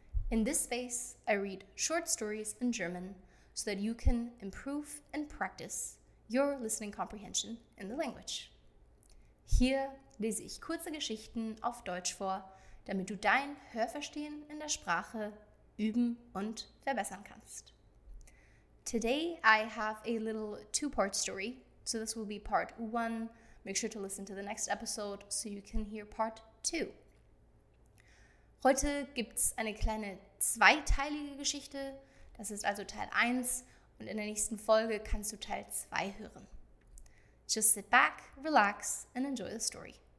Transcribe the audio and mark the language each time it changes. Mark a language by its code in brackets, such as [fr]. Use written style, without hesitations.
[en] In this space, I read short stories in German so that you can improve and practice your listening comprehension in the language. [de] Hier lese ich kurze Geschichten auf Deutsch vor, damit du dein Hörverstehen in der Sprache üben und verbessern kannst. [en] Today I have a little two-part story, so this will be part one. Make sure to listen to the next episode so you can hear part two. [de] Heute gibt's eine kleine zweiteilige Geschichte, das ist also Teil 1 und in der nächsten Folge kannst du Teil 2 hören. [en] Just sit back, relax and enjoy the story.